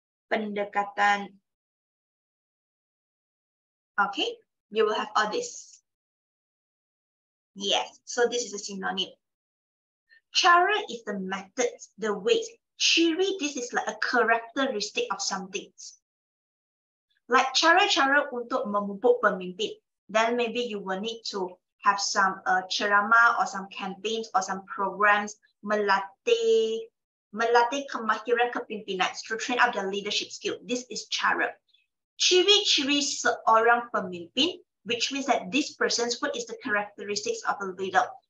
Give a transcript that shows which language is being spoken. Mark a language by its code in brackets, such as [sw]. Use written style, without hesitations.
[ms] Pendekatan. [en] Okay, you will have all this. Yes, so this is a synonym. Cara is the method, the way. Ciri, this is like a characteristic of something. [ms] Like cara-cara untuk memupuk pemimpin. [en] Then maybe you will need to have some ceramah or some campaigns or some programs [ms] melatih kemahiran kepimpinan [en] to train up their leadership skill. This is cara. [ms] Ciri-ciri seorang pemimpin, [en] which means that this person's, what is the characteristics of a leader?